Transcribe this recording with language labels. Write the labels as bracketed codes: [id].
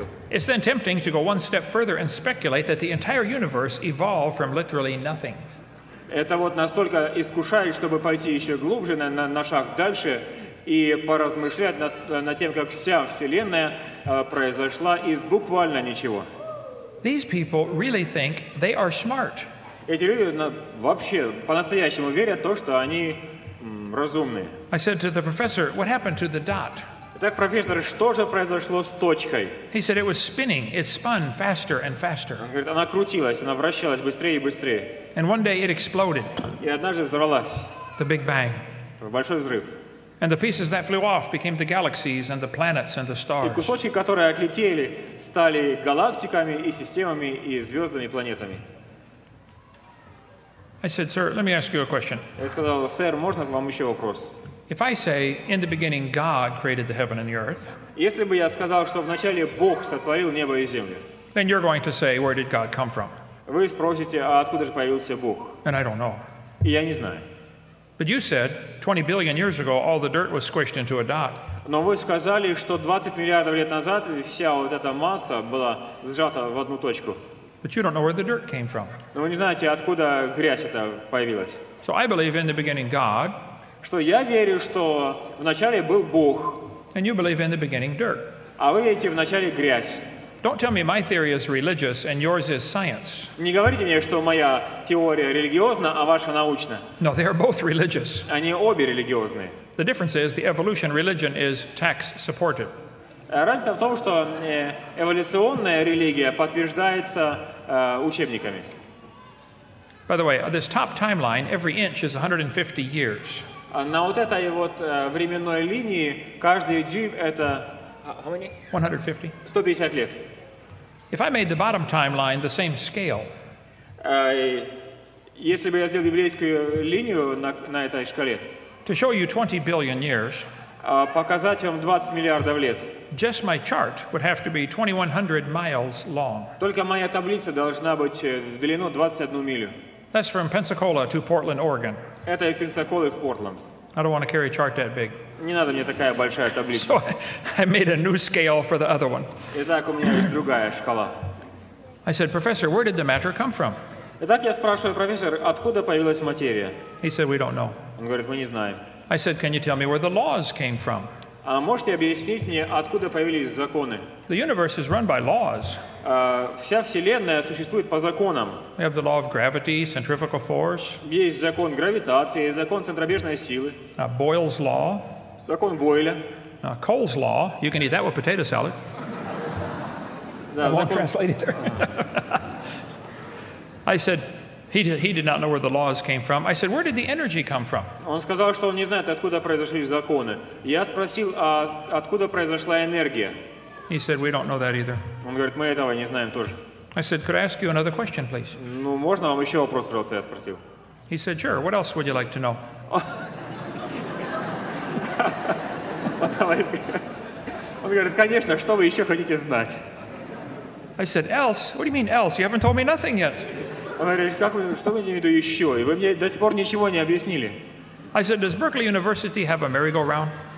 [en] It's then tempting to go one step further and speculate that the entire universe evolved from literally nothing. [ru] Это вот настолько искушает, чтобы пойти еще глубже на шаг дальше и поразмышлять над тем, как вся вселенная произошла из буквально ничего. [en] These people really think they are smart. [ru] Эти люди вообще по-настоящему верят то, что они разумные. [en] I said to the professor, "What happened to the dot?" [ru] Так, профессор, что же произошло с точкой? [en] He said it was spinning. It spun faster and faster. [ru] Он говорит, она крутилась, она вращалась быстрее и быстрее. [en] And one day it exploded. [ru] И однажды взорвалась. [en] The big bang. [ru] Большой взрыв. [en] And the pieces that flew off became the galaxies and the planets and the stars. [ru] И кусочки, которые отлетели, стали галактиками и системами и звездами и планетами. [en] I said, sir, let me ask you a question. [ru] Я сказал, сэр, можно вам еще вопрос? [en] If I say, in the beginning, God created the heaven and the earth, [ru] если бы я сказал, что вначале Бог сотворил небо и землю, [en] then you're going to say, where did God come from? [ru] Вы спросите, а откуда же появился Бог? [en] And I don't know. [ru] И я не знаю. [en] But you said, 20 billion years ago, all the dirt was squished into a dot. [ru] Но вы сказали, что 20 миллиардов лет назад вся вот эта масса была сжата в одну точку. [en] But you don't know where the dirt came from. [ru] Но вы не знаете, откуда грязь эта появилась. [en] So I believe in the beginning God. [ru] Что я верю, что вначале был Бог. [en] And you believe in the beginning dirt. [ru] А вы верите вначале грязь. [en] Don't tell me my theory is religious and yours is science. [ru] Не говорите мне, что моя теория религиозна, а ваша научна. [en] No, they are both religious. [ru] Они обе религиозные. [en] The difference is the evolution religion is tax supported. [ru] Разница в том, что эволюционная религия подтверждается учебниками. [en] By the way, this top timeline, every inch is 150 years. [ru] На вот этой вот временной линии каждый дюйм это 150 лет. [en] If I made the bottom timeline the same scale, [ru] если бы я сделал библейскую линию на этой шкале, [en] to show you 20 billion years, [ru] показать вам 20 миллиардов лет, [en] just my chart would have to be 2100 miles long. [ru] Только моя таблица должна быть в длину 21 милю. [en] That's from Pensacola to Portland, Oregon. [ru] Это из Пенсаколы в Портленд. [en] I don't want to carry a chart that big. [ru] Не надо мне такая большая таблица. [en] So I made a new scale for the other one. [ru] Итак, у меня есть другая шкала. [en] I said, "Professor, where did the matter come from?" [ru] Итак, я спрашиваю профессор, откуда появилась материя? [en] He said, "We don't know." [ru] Он говорит, мы не знаем. [en] I said, "Can you tell me where the laws came from?" [ru] А можете объяснить мне, откуда появились законы? [en] The universe is run by laws. [ru] Вся вселенная существует по законам. [en] We have the law of gravity, centrifugal force. [ru] Есть закон гравитации, закон центробежной силы. [en] Boyle's law. [ru] Закон Бойля. [en] Cole's law. You can eat that with potato salad. [ru] Да, [en] I won't translate it there. I said, he did not know where the laws came from. I said, where did the energy come from? [ru] Он сказал, что он не знает, откуда произошли законы. Я спросил, а откуда произошла энергия? [en] He said, we don't know that either. [ru] Он говорит, мы этого не знаем тоже. [en] I said, could I ask you another question, please? [ru] Ну, можно вам еще вопрос, пожалуйста, я спросил. [en] He said, sure. What else would you like to know? [ru] Он говорит, конечно, что вы еще хотите знать? [en] I said, else? What do you mean else? You haven't told me nothing yet. [ru] Он говорит, что вы имеете в виду еще? И вы мне до сих пор ничего не объяснили. [en] I said, does Berkeley University have a merry-go-round?